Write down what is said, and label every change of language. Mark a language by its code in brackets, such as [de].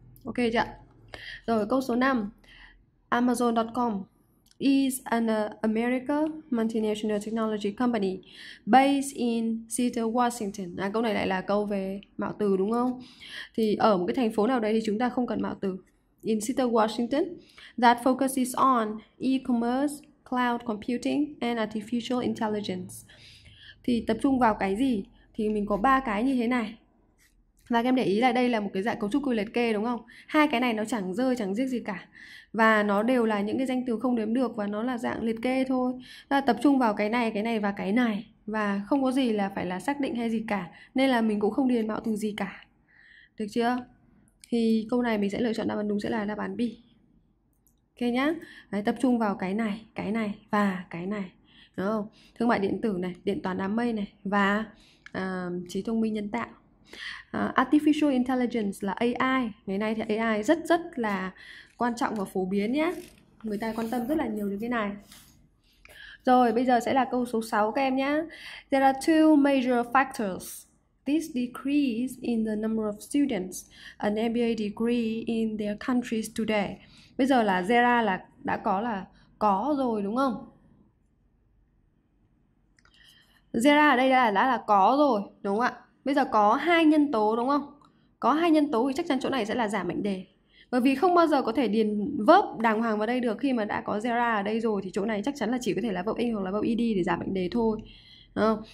[vi] Ok chưa? Rồi câu số 5. [en] Amazon.com is an America multinational technology company based in Seattle, Washington. [vi] À, câu này lại là câu về mạo từ đúng không? Thì ở một cái thành phố nào đấy thì chúng ta không cần mạo từ. [en] In Seattle, Washington, that focuses on e-commerce, cloud computing and artificial intelligence. [vi] Thì tập trung vào cái gì? Thì mình có ba cái như thế này. Và các em để ý là đây là một cái dạng cấu trúc liệt kê đúng không? Hai cái này nó chẳng rơi chẳng riết gì cả. Và nó đều là những cái danh từ không đếm được và nó là dạng liệt kê thôi. Là tập trung vào cái này và cái này. Và không có gì là phải là xác định hay gì cả. Nên là mình cũng không điền mạo từ gì cả. Được chưa? Thì câu này mình sẽ lựa chọn đáp án đúng sẽ là đáp án B. Ok nhá. Đấy, tập trung vào cái này và cái này. Đúng không? Thương mại điện tử này, điện toán đám mây này và trí thông minh nhân tạo. Artificial intelligence là AI. Ngày nay thì AI rất rất là quan trọng và phổ biến nhé. Người ta quan tâm rất là nhiều đến cái này. Rồi bây giờ sẽ là câu số 6 các em nhé. [en] There are two major factors this decrease in the number of students an MBA degree in their countries today. [vi] Bây giờ là Zera là đã có là có rồi đúng không? Zera ở đây đã là có rồi đúng không ạ? Bây giờ có hai nhân tố đúng không? Có hai nhân tố thì chắc chắn chỗ này sẽ là giả mệnh đề. Bởi vì không bao giờ có thể điền verb đàng hoàng vào đây được khi mà đã có gera ở đây rồi thì chỗ này chắc chắn là chỉ có thể là verb ing hoặc là verb ed để giả mệnh đề thôi. Đúng không?